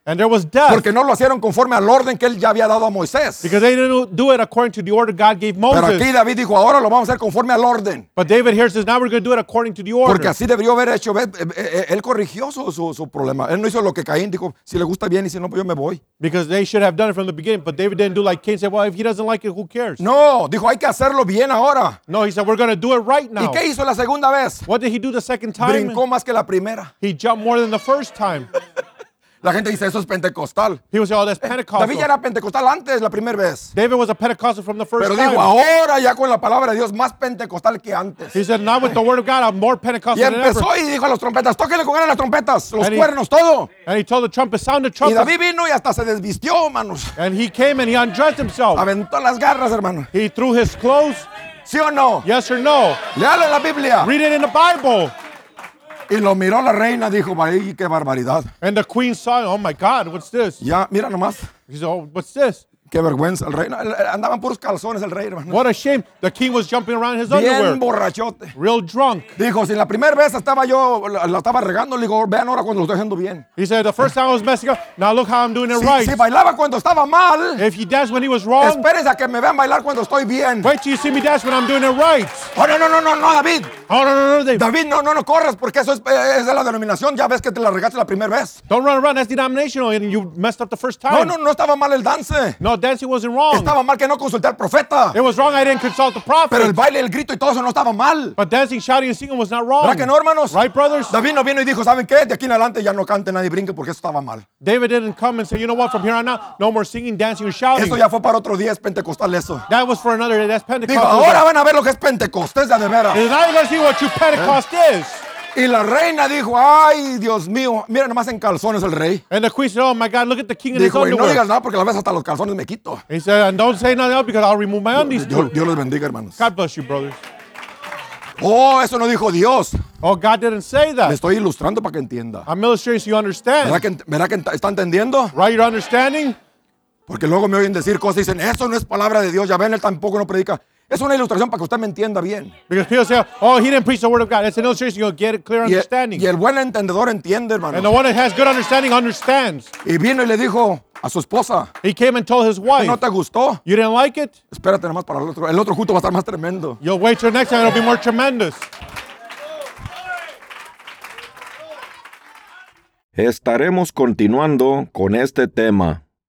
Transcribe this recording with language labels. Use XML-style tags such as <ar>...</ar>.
<en>And there was death.</en> <es>Porque no lo hicieron conforme al orden que él ya había dado a Moisés.</es> <en>Because they didn't do it according to the order God gave Moses.</en> <es>Pero aquí David dijo, ahora lo vamos a hacer conforme al orden.</es> <en>But David here says, now we're going to do it according to the order.</en> <es>Porque así debió haber hecho. Él corrigió su problema. Él no hizo lo que Caín dijo, si le gusta bien y si no, pues yo me voy.</es> <en>Because they should have done it from the beginning. But David didn't do like Cain said, well, if he doesn't like it, who cares?</en> <es>No, dijo, hay que hacerlo bien ahora.</es> <en>No, he said, we're going to do it right now.</en> <es>¿Y qué hizo la segunda vez?</es> <en>What did he do the second time?</en> <es>Brincó más que la primera.</es> <en>He jumped more than the first time.</en> <es>La gente dice, eso es pentecostal.</es> <en>He would say, oh, that's Pentecostal.</en> <es>David ya era pentecostal antes, la primera vez.</es> <en>David was a Pentecostal from the first</en> <es>Pero</es> <en>time.</en> <es>Pero dijo, ahora ya con la palabra de Dios, más pentecostal que antes.</es> <en>He said, now with the word of God, I'm more Pentecostal than ever.</en> <es>Y empezó y dijo a las trompetas, tóquenle con ganas las trompetas, los cuernos, todo.</es> <en>And he told the trumpets, sound the trumpets.</en> <es>Y David vino y hasta se desvistió, hermanos.</es> <en>And he came and he undressed himself.</en> <es>Aventó las garras, hermano.</es> <en>He threw his clothes.</en> <es>¿Sí o no?</es> <en>Yes or no.</en> <es>Léalo en la Biblia.</es> <en>Read it in the Bible.</en> <es>Y lo miró la reina, dijo, ¡ay, qué barbaridad!</es> <en>And the queen saw, oh my God, what's this?</en> <es>Ya, mira nomás.</es> <en>He said, oh, what's this?</en> <es>Qué vergüenza, el rey. Andaban puros calzones el rey, hermano.</es> <en>What a shame. The king was jumping around in his</en> <es>Bien</es> <en>underwear.</en> <es>Bien borrachote.</es> <en>Real drunk.</en> <es>Dijo, si la primera vez estaba yo, la estaba regando, le digo, vean ahora cuando lo estoy haciendo bien.</es> <en>He said, the first time I was messing up, now look how I'm doing it right.</en> <es>Si bailaba cuando estaba mal.</es> <en>If he danced when he was wrong.</en> <es>Espérense a que me vean bailar cuando estoy bien.</es> <en>Wait till you see me dance when I'm doing it right. Oh, no, David. Oh, no, no, no. They...</en> <es>David, no, no, no, corras, porque eso es de la denominación. Ya ves que te la regaste la primera vez.</es> <en>Don't run around. That's denominational, and you messed up the first time.</en> <es>No, no, no estaba mal el dance.</es> <en>No, dancing wasn't wrong.</en> <es>Estaba mal que no consulté al profeta.</es> <en>It was wrong I didn't consult the prophet.</en> <es>Pero el baile, el grito y todo eso no estaba mal.</es> <en>But dancing, shouting, and singing was not wrong.</en> <es>¿Verdad que no, hermanos?</es> <en>Right, brothers?</en> <es>David no vino y dijo, ¿saben qué? De aquí en adelante ya no cante nadie brinque porque eso estaba mal.</es> <en>David didn't come and say, you know what? From here on out, no more singing, dancing, or shouting.</en> <es>Eso ya fue para otro día, es pentecostal eso.</es> <en>That was for another day. That's Pentecostal.</en> <es>Digo, ahora van a ver lo que es Pentecostés de veras.</es> <en>And now you're going to see what your Pentecost is.</en> <es>Y la reina dijo, ay, Dios mío, mira nomás en calzones el rey.</es> <en>And the queen said, oh my God, look at the king in</en> <es>dijo,</es> <en>his underwear.</en> <es>Dijo, no digas nada porque la vez hasta los calzones me quito.</es> <en>He said, and don't say nothing else because I'll remove my undies too.</en> <es>Dios los bendiga, hermanos.</es> <en>God bless you, brothers.</en> <es>Oh, eso no dijo Dios.</es> <en>Oh, God didn't say that.</en> <es>Me estoy ilustrando para que entienda.</es> <en>I'm illustrating so you understand.</en> <es>¿Verdad que está entendiendo?</es> <en>Right, you're understanding?</en> <es>Porque luego me oyen decir cosas y dicen, eso no es palabra de Dios. Ya ven, él tampoco no predica. Es una ilustración para que usted me entienda bien.</es> <en>Because people say, oh, he didn't preach the word of God. It's an illustration, you'll get a clear understanding.</en> <es>Y el buen entendedor entiende, hermano.</es> <en>And the one that has good understanding understands.</en> <es>Y vino y le dijo a su esposa.</es> <en>He came and told his wife.</en> <es>¿No te gustó?</es> <en>You didn't like it?</en> <es>Espérate nomás para el otro culto va a estar más tremendo.</es> <en>You'll wait till next time, it'll be more tremendous.</en> <es>Estaremos continuando con este tema.</es>